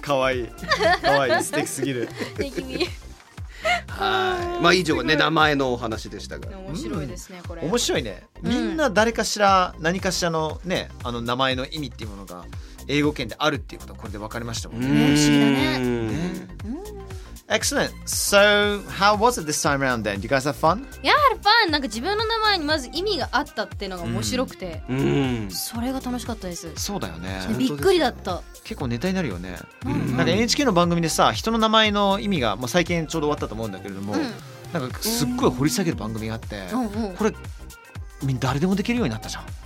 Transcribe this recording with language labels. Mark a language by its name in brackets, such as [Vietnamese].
[Japanese] かわいい。かわいい。素敵すぎる。ニキビ。はい、まあ以上ね、名前のお話でしたが、面白いですねこれ、面白いね、みんな誰かしら何かしらのね、名前の意味っていうものが英語圏であるっていうことはこれで分かりましたもんね。不思議だね。 [English] Excellent. So how was it this time around then? You guys have fun? Yeah, fun. [Japanese] なんか自分の名前にまず意味があったっていうのが面白くて、それが楽しかったです。そうだよね、びっくりだった。結構ネタになるよね、なんか NHK の番組でさ、人の名前の意味が、まあ、最近ちょうど終わったと思うんだけれども、なんかすっごい掘り下げる番組があって、これ誰でもできるようになったじゃん。